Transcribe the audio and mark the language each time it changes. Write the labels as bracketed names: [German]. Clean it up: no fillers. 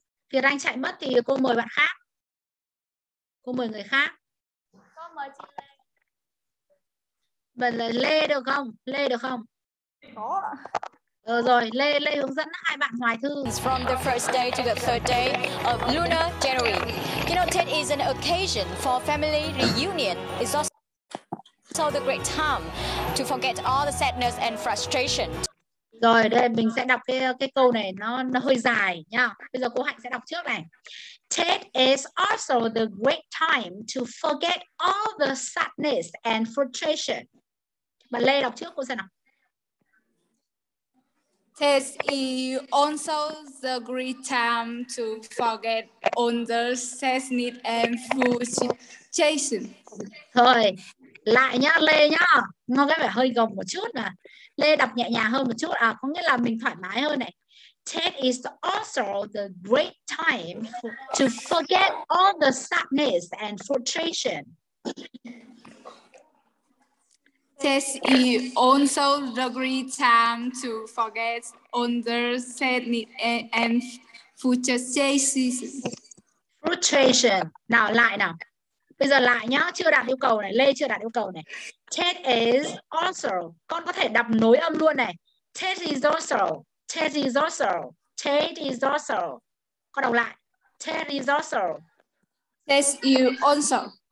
[Vietnamese] Việt Anh chạy mất thì cô mời bạn khác. Cô mời người khác. Cô mời chị Lê. Bạn là Lê được không? Lê được không? Có. Rồi, Lê hướng dẫn hai bạn Hoài Thư. [English] It's from the first day to the third day of Lunar January. You know, Tết is an occasion for family reunion. It's also the great time to forget all the sadness and frustration. [Vietnamese] Rồi đây mình sẽ đọc cái câu này nó hơi dài nha. Bây giờ cô Hạnh sẽ đọc trước này. [English] Tết is also the great time to forget all the sadness and frustration. [Vietnamese] Bạn Lê đọc trước cô xem nào. [English] Tết is also the great time to forget all the sad need and food situation. [Vietnamese] Thôi, lại nhá Lê nhá. Nó có vẻ hơi gồng một chút nè. Lê đọc nhẹ nhàng hơn một chút à, có nghĩa là mình thoải mái hơn này. Tết is also the great time to forget all the sadness and frustration. Tết is also the great time to forget all the sadness and frustration. Nào lại nào. Bây giờ lại nhá, chưa đạt yêu cầu này, Lê chưa đạt yêu cầu này. [English] Tết is also. [Vietnamese] Con có thể đọc nối âm luôn này. [English] Tết is also. Tết is also. Tết is also. [Vietnamese] Con đọc lại. [English] Tết is also. Tết is also.